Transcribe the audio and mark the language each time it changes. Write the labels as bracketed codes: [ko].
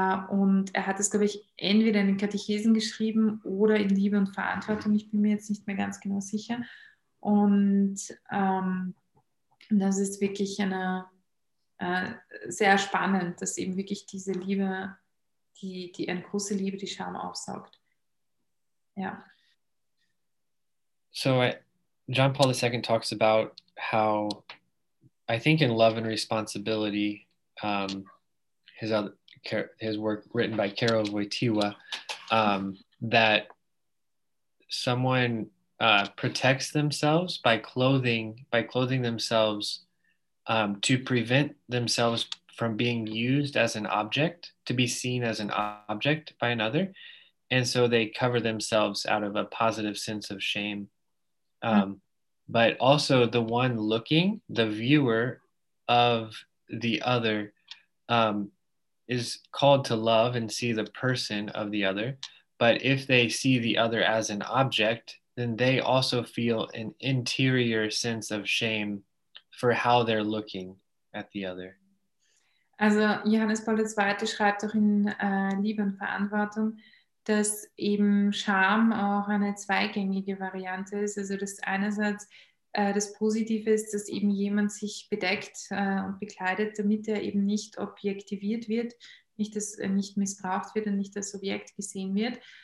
[de] Und er hat es, glaube ich, entweder in den Katechesen geschrieben oder in Liebe und Verantwortung. Ich bin mir jetzt nicht mehr ganz genau sicher. Und das ist wirklich eine sehr spannend, dass eben wirklich diese Liebe, die eine große Liebe, die Scham aufsaugt. Ja. [en] So John Paul II talks about how I think in Love and Responsibility, his work written by Karol Wojtyła, that someone protects themselves by clothing themselves to prevent themselves from being used as an object, to be seen as an object by another. And so they cover themselves out of a positive sense of shame. But also the one looking, the viewer of the other, is called to love and see the person of the other. But if they see the other as an object, then they also feel an interior sense of shame for how they're looking at the other. [de] Also Johannes Paul II schreibt auch in Liebe und Verantwortung, dass eben Scham auch eine zweigängige Variante ist. Also dass einerseits das Positive ist, dass eben jemand sich bedeckt und bekleidet, damit er eben nicht objektiviert wird, nicht missbraucht wird und nicht als Objekt gesehen wird.